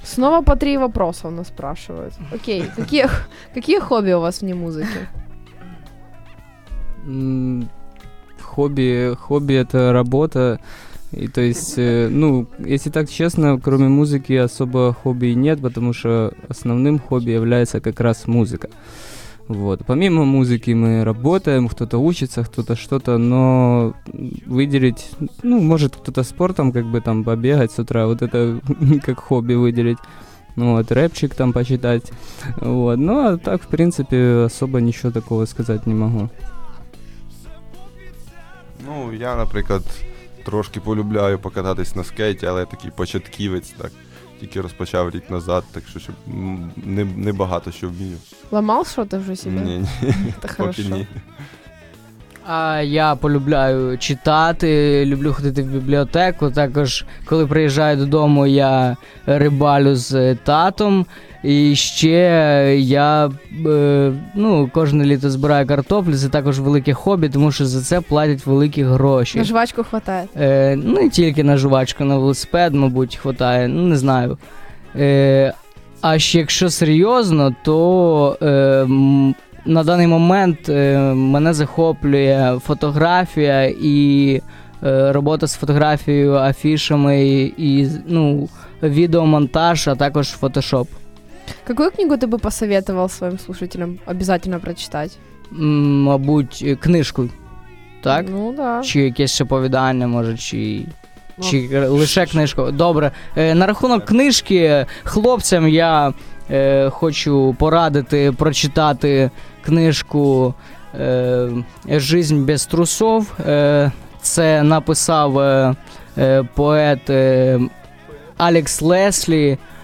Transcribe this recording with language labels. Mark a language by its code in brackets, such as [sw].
[uk] Знову по три питання у нас спрашують. Окей, які хобі у вас вне музики? Хобі – це робота, і, [ru] то есть, [uk] ну, якщо так чесно, крім музики особо хобі і нет, тому що основним хобі є якраз музика. [ru] Вот. Помимо музыки мы работаем, кто-то учится, кто-то что-то, но выделить, ну, может кто-то спортом, как бы там побегать с утра, вот это как хобби выделить, ну, вот рэпчик там почитать, вот, ну, а так, в принципе, особо ничего такого сказать не могу. [uk] Ну, я, например, трошки полюбляю покататись на скейте, але я такий початківець, так. Тільки розпочав рік назад, так що щоб не багато що вмію. Ламав що ти вже себе? Ні, ні. Та хорошо. Ні. А я полюбляю читати, люблю ходити в бібліотеку. Також, коли приїжджаю додому, я рибалю з татом. І ще я ну, кожне літо збираю картоплю, це також велике хобі, тому що за це платять великі гроші. [ru] На жвачку хватає? [uk] Не тільки на жвачку, на велосипед, мабуть, хватає, ну не знаю. А ще якщо серйозно, то на даний момент мене захоплює фотографія і робота з фотографією, афішами і ну, відеомонтаж, а також фотошоп. [ru] Какую книгу ты бы посоветовал своим слушателям обязательно прочитать? [uk] Мабуть, книжку, так? Ну, да. Чи якесь оповідання, може, чи... Ну, чи лише книжку. Добре, на рахунок книжки хлопцям я хочу порадити прочитати книжку [ru] «Жизнь без трусов». [uk] Це написав поет Алекс Леслі.